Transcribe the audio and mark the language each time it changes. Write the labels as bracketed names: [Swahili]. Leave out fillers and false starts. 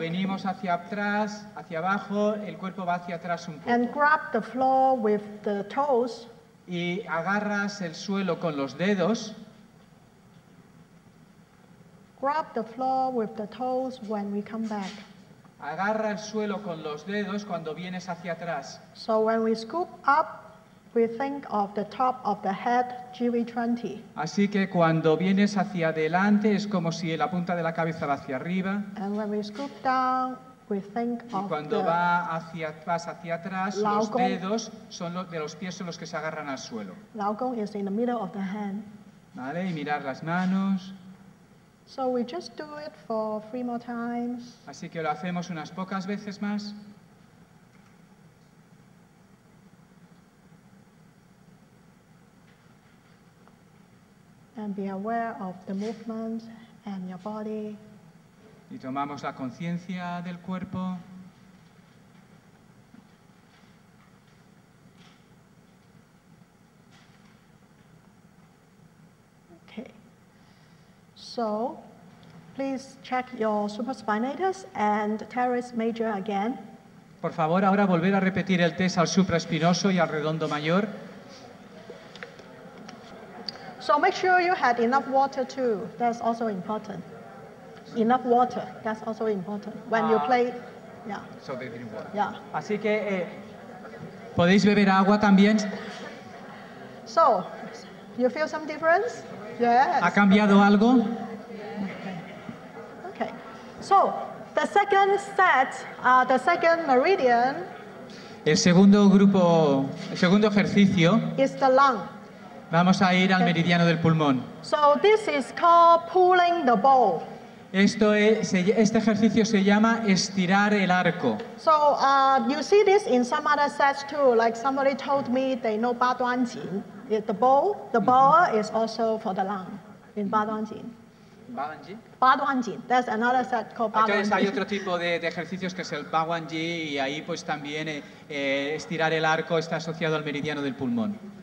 [Spanish] Venimos hacia atrás, hacia abajo, el cuerpo va hacia atrás un poco. [English] And grab the floor with the toes. [Spanish] Y agarras el suelo con los dedos. [English] Grab the floor with the toes when we come back. [Spanish] Agarra el suelo con los dedos cuando vienes hacia atrás. [English] So when we scoop up, we think of the top of the head, jiwi chanti. [Spanish] Así que cuando vienes hacia adelante es como si la punta de la cabeza va hacia arriba. [English] And when we scoop down, we think [Spanish] y cuando vas hacia atrás, [English] Lao [Spanish] los dedos son de los pies son los que se agarran al suelo. [English] Lao Gong is in the middle of the hand. [Spanish] Vale, y mirar las manos. [English] So we just do it for 3 more times. [Spanish] Así que lo hacemos unas pocas veces más. [English] And be aware of the movement and your body. [Spanish] Y tomamos la conciencia del cuerpo. [English] Okay. So please check your supraspinatus and teres major again. [Spanish] Por favor, ahora volver a repetir el test al supraespinoso y al redondo mayor. [English] So make sure you had enough water too. That's also important. Enough water. That's also important. When you play, yeah. So they drink water. Yeah. [Spanish] Así que podéis beber agua también. [English] So, you feel some difference? Yes. [Spanish] ¿Ha cambiado algo? [English] So, the second set, the second meridian. [Spanish] El segundo ejercicio. [English] Is the lung. [Spanish] Vamos a ir al meridiano del pulmón. [English] So this is called pulling the bow. [Spanish] Este ejercicio se llama estirar el arco. [English] So you see this in some other sets too. Like somebody told me they know Ba Duan Jin. The bow, the bow is also for the lung in Ba Duan Jin. Ba Duan Jin. That's another set called Ba Duan Jin. [Spanish] Entonces hay otro tipo de ejercicios que es el Ba Duan Jin y ahí pues también estirar el arco está asociado al meridiano del pulmón.